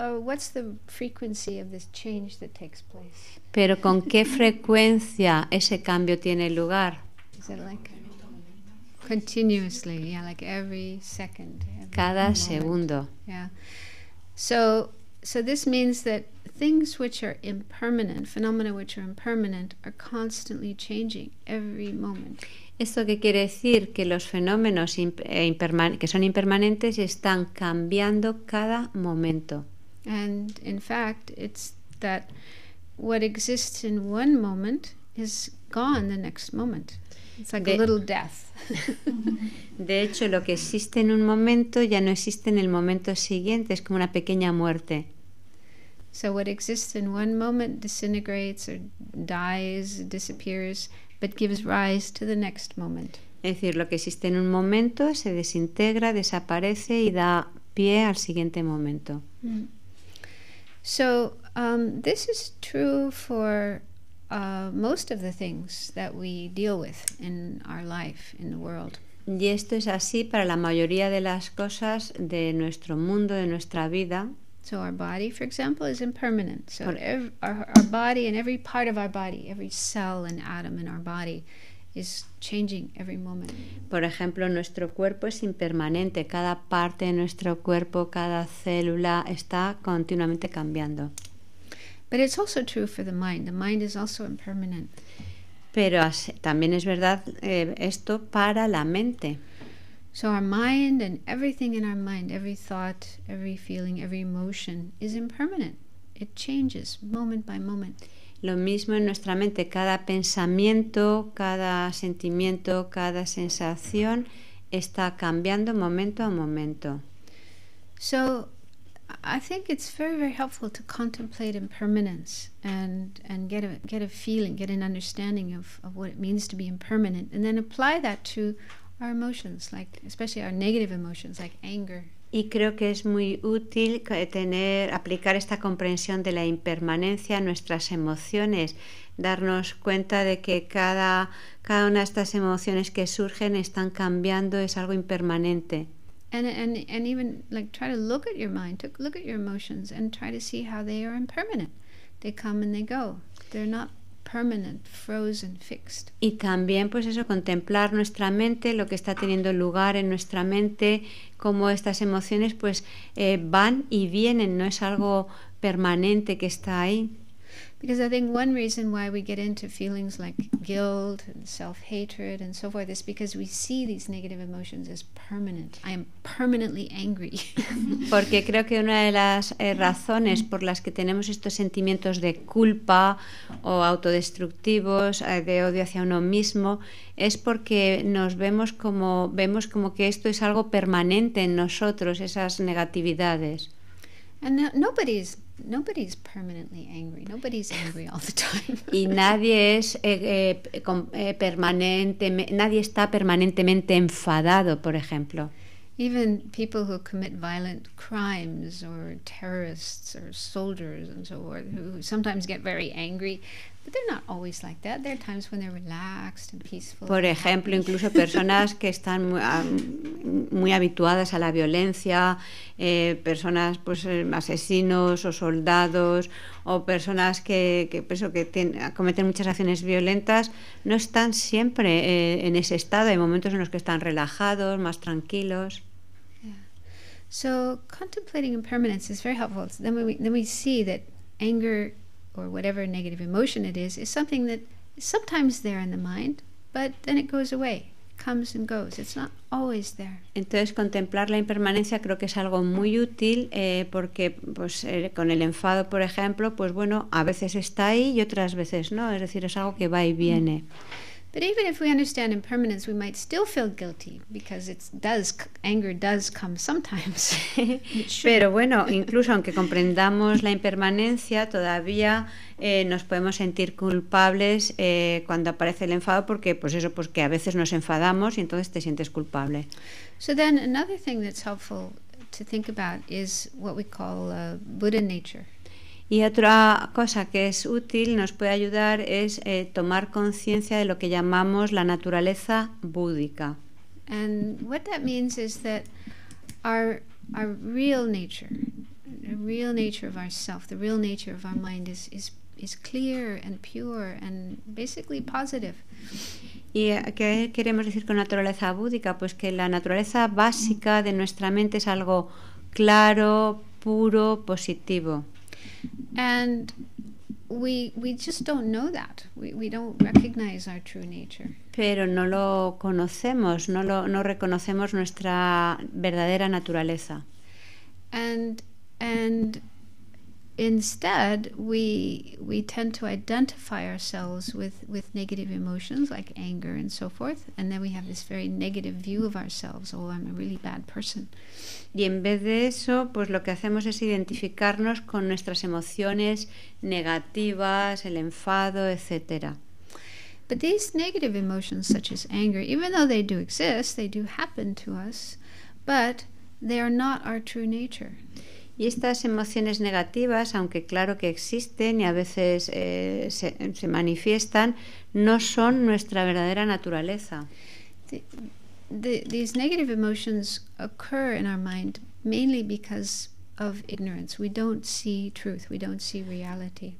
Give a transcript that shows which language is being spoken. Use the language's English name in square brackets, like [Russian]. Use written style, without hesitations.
[English] What's the frequency of this change that takes place? [Spanish] Pero con qué frecuencia ese cambio tiene lugar? [English] Is it like continuously? Yeah, like every second. Every [Spanish] cada [English] moment. [Spanish] Segundo. [English] Yeah. So this means that things which are impermanent, phenomena which are impermanent, are constantly changing every moment. [Spanish] ¿Esto qué quiere decir? Que los fenómenos que son impermanentes están cambiando cada momento. [English] And in fact, it's that what exists in one moment is gone the next moment. It's like a little death. [Spanish] De hecho, lo que existe en un momento ya no existe en el momento siguiente, es como una pequeña muerte. [English] So what exists in one moment disintegrates or dies, disappears, but gives rise to the next moment. [Spanish] Es decir, lo que existe en un momento se desintegra, desaparece y da pie al siguiente momento. [English] So, this is true for most of the things that we deal with in our life, in the world. [Spanish] Y esto es así para la mayoría de las cosas de nuestro mundo, de nuestra vida. [English] So our body, for example, is impermanent. So our body and every part of our body, every cell and atom in our body, is changing every moment. [Spanish] Por ejemplo, nuestro cuerpo es impermanente. Cada parte de nuestro cuerpo, cada célula, está continuamente cambiando. [English] But it's also true for the mind. The mind is also impermanent. [Spanish] Pero también es verdad esto para la mente. [English] So our mind and everything in our mind, every thought, every feeling, every emotion is impermanent. It changes moment by moment. [Spanish] Lo mismo en nuestra mente, cada pensamiento, cada sentimiento, cada sensación está cambiando momento a momento. [English] So I think it's very, very helpful to contemplate impermanence and get a feeling, get an understanding of what it means to be impermanent, and then apply that to our emotions, like especially our negative emotions, like anger. [Spanish] Y creo que es muy útil tener, aplicar esta comprensión de la impermanencia a nuestras emociones, darnos cuenta de que cada una de estas emociones que surgen están cambiando, es algo impermanente. [English] And even like try to look at your mind, look at your emotions, and try to see how they are impermanent. They come and they go. They're not permanent, frozen, fixed. [Spanish] Y también, pues eso, contemplar nuestra mente, lo que está teniendo lugar en nuestra mente, cómo estas emociones, pues van y vienen. No es algo permanente que está ahí. [English] Because I think one reason why we get into feelings like guilt and self-hatred and so forth is because we see these negative emotions as permanent. I am permanently angry. [Spanish] Porque creo que una de las razones por las que tenemos estos sentimientos de culpa o autodestructivos, de odio hacia uno mismo, es porque nos vemos como que esto es algo permanente en nosotros, esas negatividades. [English] And nobody's permanently angry. Nobody's angry all the time. [Spanish] Y nadie es permanentemente, nadie está permanentemente enfadado, por ejemplo. [English] Even people who commit violent crimes or terrorists or soldiers and so forth, who sometimes get very angry, but they're not always like that. There are times when they're relaxed and peaceful. [Spanish] Por ejemplo, incluso personas que están muy habituadas a la violencia, personas, pues, asesinos o soldados, o personas que cometen muchas acciones violentas, no están siempre en ese estado. Hay momentos en los que están relajados, más tranquilos. [English] So contemplating impermanence is very helpful. So then we see that anger or whatever negative emotion it is something that is sometimes there in the mind, but then it goes away. Comes and goes. It's not always there. [Spanish] Entonces contemplar la impermanencia creo que es algo muy útil porque pues con el enfado, por ejemplo, pues bueno, a veces está ahí y otras veces no, es decir, es algo que va y viene. [English] But even if we understand impermanence, we might still feel guilty because anger does come sometimes. [Spanish] Pero bueno, incluso aunque comprendamos la impermanencia, todavía nos podemos sentir culpables cuando aparece el enfado, porque pues eso, pues que a veces nos enfadamos y entonces te sientes culpable. [English] So then another thing that's helpful to think about is what we call Buddha nature. [Spanish] Y otra cosa que es útil, nos puede ayudar, es tomar conciencia de lo que llamamos la naturaleza búdica. [English] And what that means is that our real nature, the real nature of ourself, the real nature of our mind is clear and pure and basically positive. [Spanish] ¿Y qué queremos decir con naturaleza búdica? Pues que la naturaleza básica de nuestra mente es algo claro, puro, positivo. [English] And we just don't know that. We don't recognize our true nature. [Spanish] Pero no lo conocemos, no reconocemos nuestra verdadera naturaleza. [English] And instead we tend to identify ourselves with negative emotions like anger and so forth, and then we have this very negative view of ourselves. Oh, I'm a really bad person. [Spanish] Y en vez de eso, pues lo que hacemos es identificarnos con nuestras emociones negativas, el enfado, etcétera. [English] But these negative emotions such as anger, even though they do exist, they do happen to us, but they are not our true nature. [Spanish] Y estas emociones negativas, aunque claro que existen y a veces se manifiestan, no son nuestra verdadera naturaleza. [English] These negative emotions occur in our mind mainly because of ignorance. We don't see truth, we don't see reality.